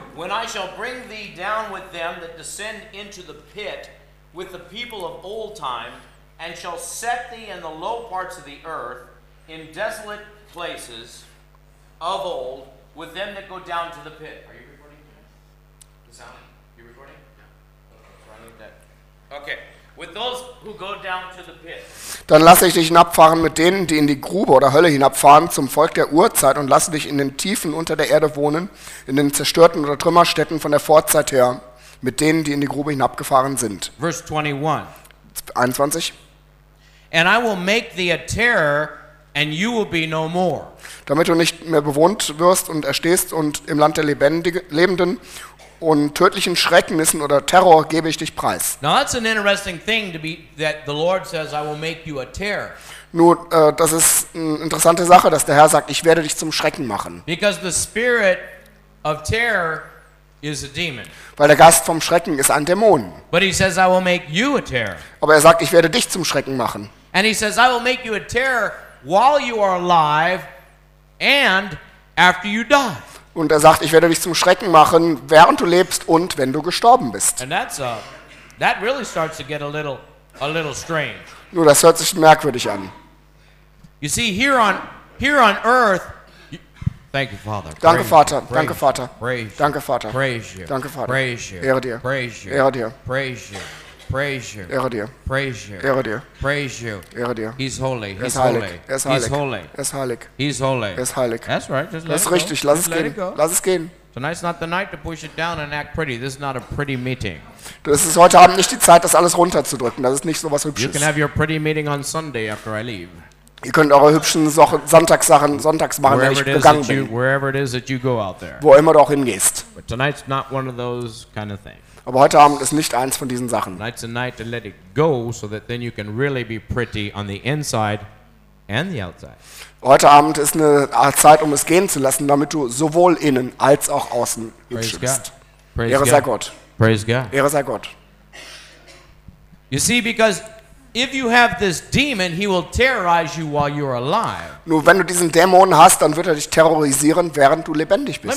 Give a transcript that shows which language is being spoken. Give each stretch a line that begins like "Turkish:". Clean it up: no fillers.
English: When I shall bring thee down with them that descend into the pit with the people of old time, and shall set thee in the low parts of the earth, in desolate places of old, with them that go down to the pit. Are you recording? The sound? You recording? No. Okay. So I need that. Okay. With those who go down to the pit.
German: Dann lasse ich dich hinabfahren mit denen, die in die Grube oder Hölle hinabfahren, zum Volk der Urzeit, und lasse dich in den Tiefen unter der Erde wohnen, in den zerstörten oder Trümmerstätten von der Vorzeit her, mit denen, die in die Grube hinabgefahren sind.
English: Verse 21.
German: 21.
English: And I will make thee a terror, and you will be no more.
German: Damit du nicht mehr bewohnt wirst und erstehst, und im Land der Lebenden und tödlichen Schrecknissen oder Terror gebe ich dich preis.
English: Now that's an interesting thing to be that the Lord says I will make you a terror.
German: Nur, das ist eine interessante Sache, dass der Herr sagt, ich werde dich zum Schrecken machen.
English: Because the spirit of terror is a demon.
German: Weil der Geist vom Schrecken ist ein Dämon.
English: But he says, I will make you a terror.
German: Aber er sagt, ich werde dich zum Schrecken machen.
English: And he says, I will make you a terror while you are alive and after you die.
German: Und er sagt, ich werde dich zum Schrecken machen, während du lebst und wenn du gestorben bist.
English: And that's that really starts to get a little strange.
German: Nur das hört sich merkwürdig an.
English: You see, here on earth. Thank you, Father.
German: Danke, Vater. Danke, Vater. Danke, Vater.
English: Praise you.
German: Danke, Vater.
English: Praise you.
German: Ehre dir.
English: Praise you.
German: Ehre dir.
English: Praise you. Praise you.
German: Ehre dir.
English: Praise you.
German: Ehre dir.
English: Praise you.
German: Ehre dir.
English: He's holy. He's holy. He's holy. He's holy. He's holy. He's holy. That's right. Just let it go.
German: Das ist richtig. Lass es gehen. Lass es gehen.
English: Tonight's not the night to push it down and act pretty. This is not a pretty meeting.
German: Das ist heute Abend nicht die Zeit, das alles runterzudrücken. Das ist nicht so was Hübsches.
English: You can have your pretty meeting on Sunday after I leave.
German: Ihr könnt eure hübschen Sonntagssachen sonntags machen, wenn ich gegangen bin.
English: Wherever it is that you go out there.
German: Wo immer du auch hingehst.
English: But tonight's not one of those kind of things.
German: Aber heute Abend ist nicht eins von diesen Sachen.
English: Tonight's a night to let it go, so that then you can really be pretty on the inside and the outside.
German: Heute Abend ist eine Zeit, um es gehen zu lassen, damit du sowohl innen als auch außen hübsch bist. Ehre sei Gott.
English: Praise God.
German: Ehre sei Gott.
English: You see, because if you have this demon, he will terrorize you while you're alive.
German: Nur wenn du diesen Dämon hast, dann wird er dich terrorisieren, während du lebendig bist.